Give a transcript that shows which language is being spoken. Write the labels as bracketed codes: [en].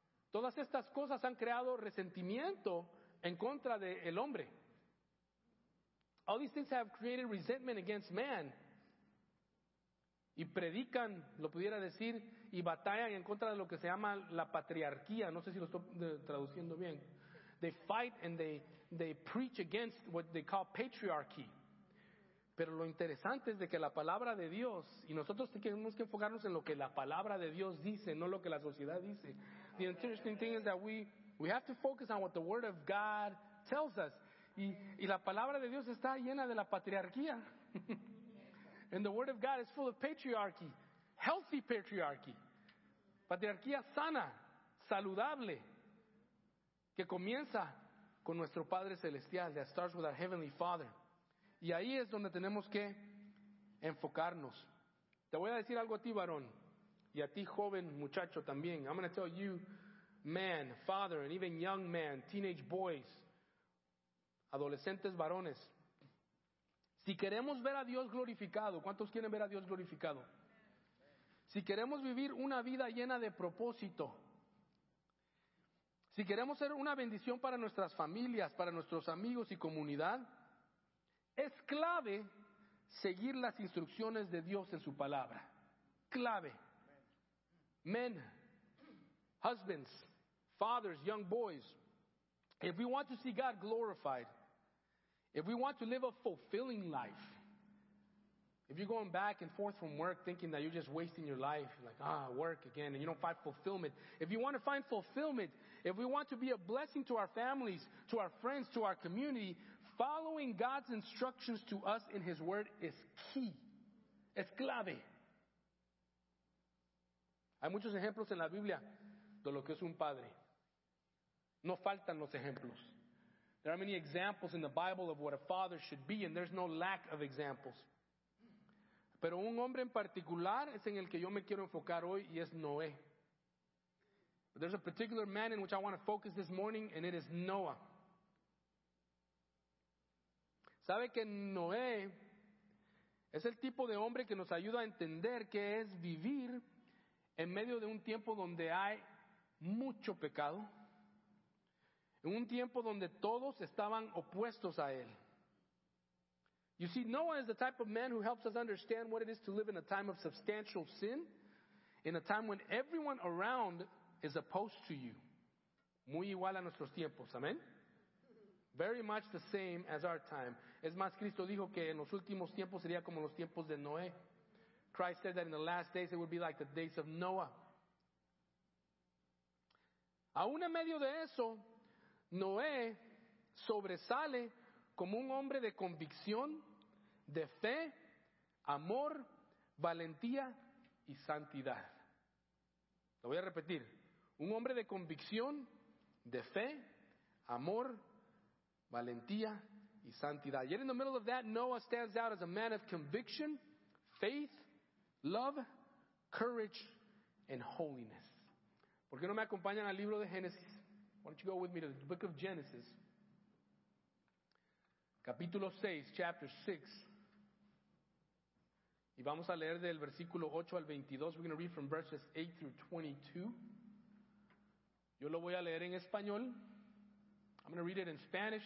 [es] Todas estas cosas han creado resentimiento en contra del hombre. [en] All these things have created resentment against man. [es] Y predican, lo pudiera decir, y batallan en contra de lo que se llama la patriarquía. No sé si lo estoy traduciendo bien. [en] They fight and they preach against what they call patriarchy. [es] Pero lo interesante es de que la palabra de Dios, y nosotros tenemos que enfocarnos en lo que la palabra de Dios dice, no lo que la sociedad dice. [en] The interesting thing is that we have to focus on what the Word of God tells us. [es] Y la palabra de Dios está llena de la patriarquía. [en] And the Word of God is full of patriarchy, healthy patriarchy. [es] Patriarquía sana, saludable, que comienza con nuestro Padre Celestial, [en] that starts with our Heavenly Father. [es] Y ahí es donde tenemos que enfocarnos. Te voy a decir algo a ti, varón, y a ti, joven muchacho también. [en] I'm going to tell you, man, father, and even young man, teenage boys, [es] adolescentes varones. Si queremos ver a Dios glorificado, ¿cuántos quieren ver a Dios glorificado? Si queremos vivir una vida llena de propósito, si queremos ser una bendición para nuestras familias, para nuestros amigos y comunidad, es clave seguir las instrucciones de Dios en su palabra. Clave. [en] Men, husbands, fathers, young boys, if we want to see God glorified, if we want to live a fulfilling life, if you're going back and forth from work thinking that you're just wasting your life, like, work again, and you don't find fulfillment, if you want to find fulfillment, if we want to be a blessing to our families, to our friends, to our community, following God's instructions to us in His Word is key. [es] Es clave. Hay muchos ejemplos en la Biblia de lo que es un padre. No faltan los ejemplos. [en] There are many examples in the Bible of what a father should be, and there's no lack of examples. [es] Pero un hombre en particular es en el que yo me quiero enfocar hoy, y es Noé. [en] But there's a particular man in which I want to focus this morning, and it is Noah. [es] ¿Sabe que Noé es el tipo de hombre que nos ayuda a entender qué es vivir en medio de un tiempo donde hay mucho pecado? En un tiempo donde todos estaban opuestos a él. [en] You see, Noah is the type of man who helps us understand what it is to live in a time of substantial sin, in a time when everyone around is opposed to you. [es] Muy igual a nuestros tiempos, amén. [en] Very much the same as our time. [es] Es más, Cristo dijo que en los últimos tiempos sería como los tiempos de Noé. [en] Christ said that in the last days it would be like the days of Noah. [es] Aún en medio de eso, Noé sobresale como un hombre de convicción, de fe, amor, valentía y santidad. Lo voy a repetir. Un hombre de convicción, de fe, amor, valentía y santidad. [en] Yet in the middle of that, Noah stands out as a man of conviction, faith, love, courage, and holiness. [es] ¿Por qué no me acompañan al libro de Génesis? [en] Why don't you go with me to the book of Genesis? [es] Capítulo 6, [en] chapter 6. [es] Y vamos a leer del versículo 8 al 22. [en] We're going to read from verses 8 through 22. [es] Yo lo voy a leer en español. [en] I'm going to read it in Spanish.